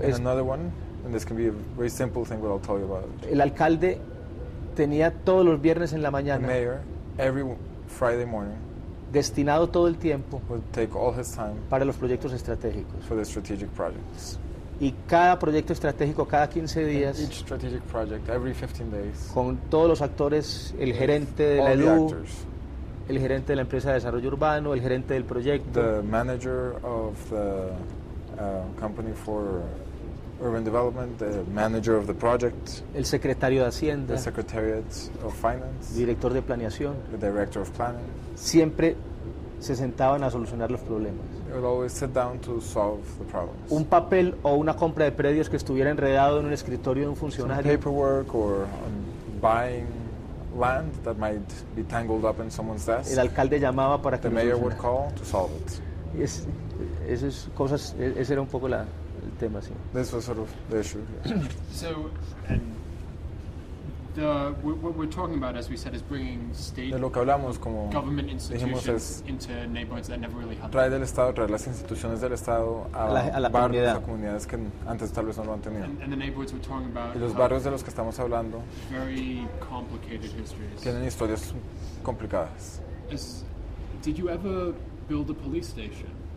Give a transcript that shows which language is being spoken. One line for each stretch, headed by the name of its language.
English: And another one, and this can be a very simple thing, but I'll tell you about it.
Spanish: El alcalde tenía todos los viernes en la mañana.
English: The mayor, every Friday morning.
Spanish: Destinado todo el tiempo.
English: Would take all his time.
Spanish: Para los proyectos estratégicos.
English: For the strategic projects.
Spanish: Y cada proyecto estratégico cada 15 días
English: each strategic project, every 15 days,
Spanish: con todos los actores, el gerente de la EDU, el gerente de la empresa de desarrollo urbano, el gerente del proyecto,
English: the manager of the company for urban development, the manager of the project,
Spanish: el secretario de Hacienda,
English: the secretariat of finance,
Spanish: director de planeación,
English: the director of planning,
Spanish: siempre se sentaban a solucionar los problemas.
English: They would always sit down to solve the problems.
Spanish: Un papel o una compra de predios que estuviera enredado en un escritorio de un funcionario.
English: Some paperwork or buying land that might be tangled up in someone's desk.
Spanish: El alcalde llamaba para que
English: the mayor would call to solve it.
Spanish: Ese era un poco el tema, sí.
English: This was sort of the issue. So, and what we're talking about, as we said, is bringing state
Spanish: de lo que hablamos, como
English: government institutions
Spanish: dijimos, es
English: into neighborhoods that never really had.
Spanish: Traer del estado, traer las instituciones del estado a la barrios, comunidad. A comunidades que antes tal vez no lo han tenido.
English: And the neighborhoods we're talking about,
Spanish: y los barrios de los que estamos hablando,
English: very complicated histories.
Spanish: Tienen historias complicadas.
English: Did you ever build a police station?